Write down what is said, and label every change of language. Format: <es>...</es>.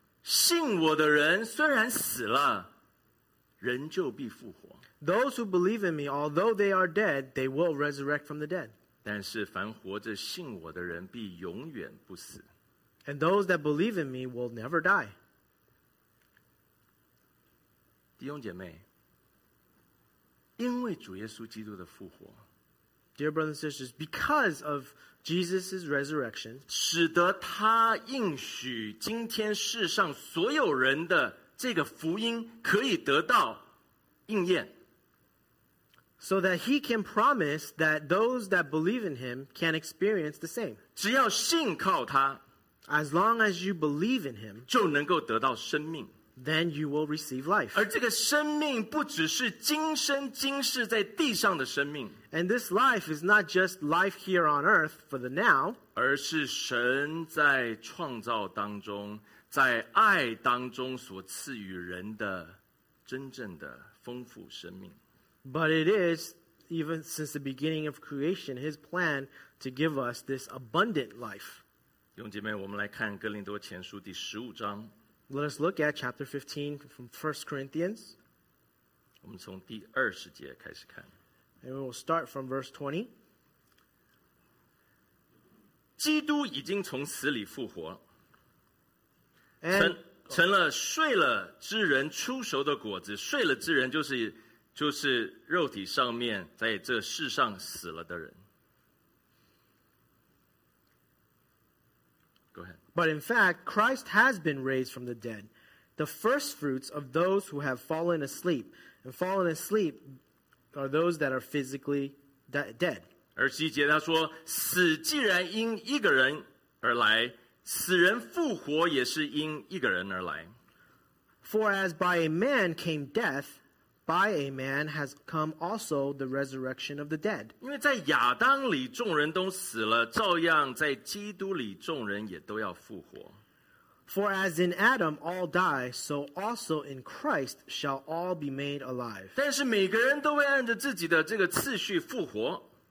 <zh>信我的人虽然死了，仍旧必复活。</zh> <en>Those who believe in me, although they are dead, they will resurrect from the dead.</en> <zh>但是凡活着信我的人必永远不死。</zh> <en>And those that believe in me will never die.</en> <zh>弟兄姐妹，因为主耶稣基督的复活，</zh> <en>Dear brothers and sisters, because of Jesus' resurrection,</en> <zh>使得他应许今天世上所有人的这个福音可以得到应验。</zh> <en>So that he can promise that those that believe in him can experience the same.</en> <zh>只要信靠他，</zh> <en>As long as you believe in him,</en> <zh>就能够得到生命。</zh> <en>Then you will receive life.</en> <zh>而这个生命不只是今生今世在地上的生命。</zh> <en>And this life is not just life here on earth for the now.</en> <zh>而是神在创造当中，在爱当中所赐予人的真正的丰富生命。</zh> <en>But it is, even since the beginning of creation, his plan to give us this abundant life.</en> <zh>弟兄姐妹，我们来看哥林多前书第十五章。</zh> <en>Let us look at chapter 15 from 1 Corinthians.</en> <zh>我们从第二十节开始看。</zh> <en>And we will start from verse 20.</en> <zh>基督已经从死里复活，成了睡了之人出熟的果子。睡了之人就是肉体上面在这世上死了的人。</zh> <en>Go ahead. But in fact, Christ has been raised from the dead, the first fruits of those who have fallen asleep. And fallen asleep are those that are physically dead.</en> <zh>而十一节他说，死既然因一个人而来，死人复活也是因一个人而来。</zh> <en>For as by a man came death, by a man has come also the resurrection of the dead.</en> <zh>因为在亚当里众人都死了，照样在基督里众人也都要复活。</zh> <en>For as in Adam all die, so also in Christ shall all be made alive.</en> <zh>但是每个人都会按着自己的这个次序复活。</zh>